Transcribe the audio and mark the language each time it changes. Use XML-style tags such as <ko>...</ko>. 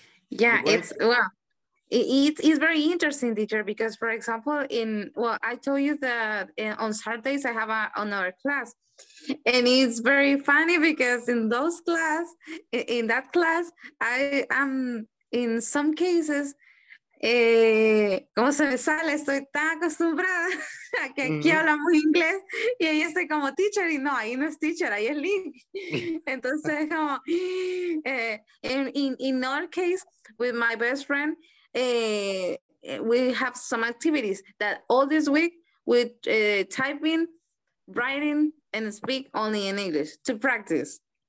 <en>Yeah, it's very interesting, teacher, because for example, I told you that on Saturdays I have another class, and it's very funny because in that class, I am in some cases</en> <es>¿Cómo se me sale? Estoy tan acostumbrada a que aquí hablamos inglés y ahí estoy como teacher y no, ahí no es teacher, ahí es link. Entonces, como</es> <en>in our case, with my best friend, we have some activities that all this week with typing, writing, and speak only in English to practice.</en>